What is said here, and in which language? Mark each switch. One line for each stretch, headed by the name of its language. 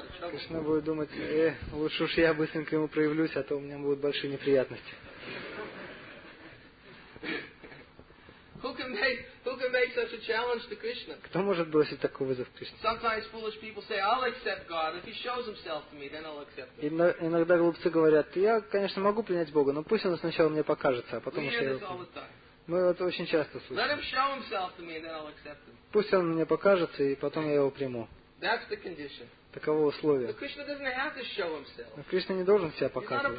Russian: Кришна будет думать, лучше уж я быстренько ему проявлюсь, а то у меня будут большие неприятности.
English: Who can make such a challenge to Krishna?
Russian: Кто может бросить такой вызов Кришне?
English: Sometimes foolish people say, I'll accept God if He shows Himself to me, then I'll accept Him.
Russian: Иногда глупцы говорят, я, конечно, могу принять Бога, но пусть Он сначала мне покажется, а потом уже. Мы это очень часто слышим.
English: Let Him show Himself to me, then I'll accept Him.
Russian: Пусть Он мне покажется, и потом я его приму.
English: That's the condition.
Russian: Таково условие.
English: But Krishna doesn't have to show Himself.
Russian: Но Кришна не должен себя показывать.